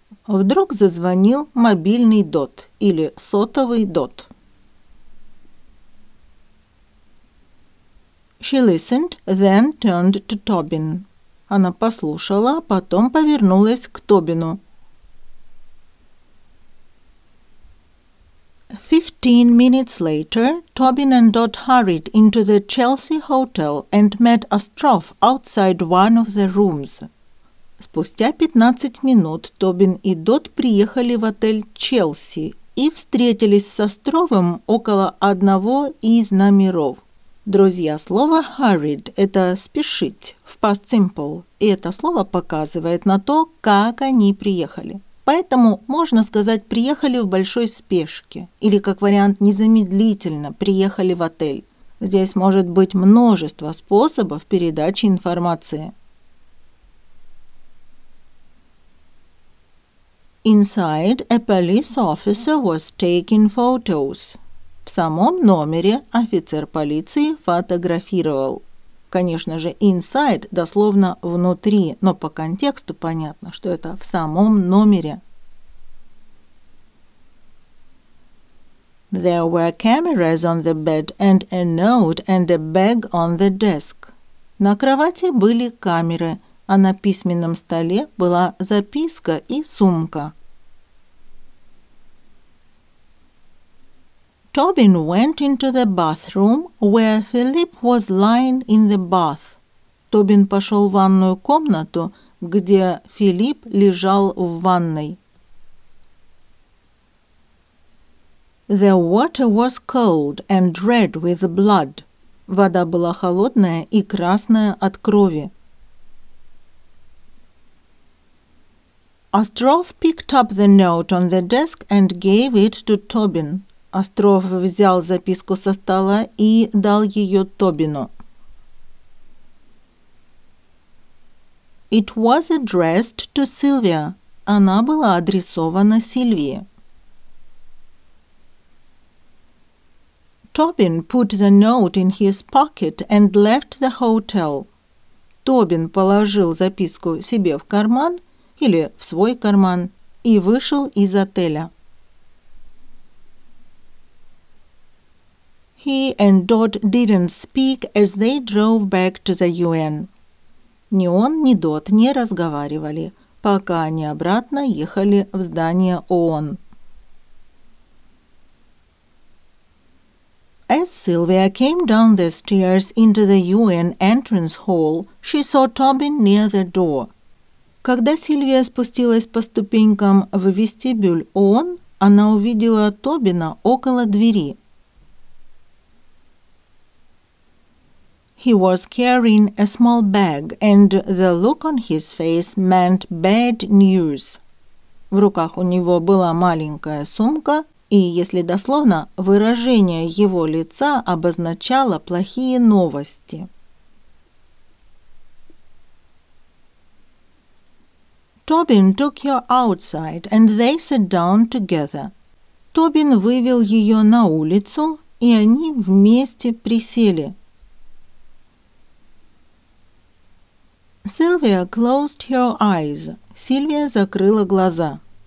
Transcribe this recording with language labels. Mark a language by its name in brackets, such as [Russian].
[Russian] Вдруг зазвонил мобильный Дот или сотовый Дот. [English] She listened, then turned to Tobin. [Russian] Она послушала, потом повернулась к Тобину. [English] 15 minutes later, Tobin and Dot hurried into the Chelsea Hotel and met Astrov outside one of the rooms. [Russian] Спустя 15 минут Тобин и Дот приехали в отель Челси и встретились с Островом около одного из номеров. Друзья, слово hurried – это спешить, в past simple. И это слово показывает на то, как они приехали. Поэтому можно сказать «приехали в большой спешке» или, как вариант, «незамедлительно приехали в отель». Здесь может быть множество способов передачи информации. [English] Inside, a police officer was taking photos. [Russian] В самом номере офицер полиции фотографировал. Конечно же, inside дословно «внутри», но по контексту понятно, что это «в самом номере». [English] There were cameras on the bed and a note and a bag on the desk. [Russian] На кровати были камеры, а на письменном столе была записка и сумка. [English] Tobin went into the bathroom where Philip was lying in the bath. [Russian] Tobin пошел в ванную комнату, где Филипп лежал в ванной. [English] The water was cold and red with blood. [Russian] Вода была холодная и красная от крови. [English] Astrov picked up the note on the desk and gave it to Tobin. [Russian] Astrov взял записку со стола и дал ее Тобину. [English] It was addressed to Sylvia. [Russian] Она была адресована Сильвии. [English] Tobin put the note in his pocket and left the hotel. [Russian] Tobin положил записку себе в карман или в свой карман и вышел из отеля. [English] He and Dot didn't speak as they drove back to the UN. [Russian] Ни он, ни Дот не разговаривали, пока они обратно ехали в здание ООН. [English] As Sylvia came down the stairs into the UN entrance hall, she saw Tobin near the door. [Russian] Когда Сильвия спустилась по ступенькам в вестибюль ООН, она увидела Тобина около двери. [English] He was carrying a small bag, and the look on his face meant bad news. [Russian] В руках у него была маленькая сумка. И, если дословно, выражение его лица обозначало плохие новости. [English] Tobin took her outside and they sat down together. [Russian] Tobin вывел ее на улицу, и они вместе присели. [English] Sylvia closed her eyes. [Russian] Сильвия закрыла глаза.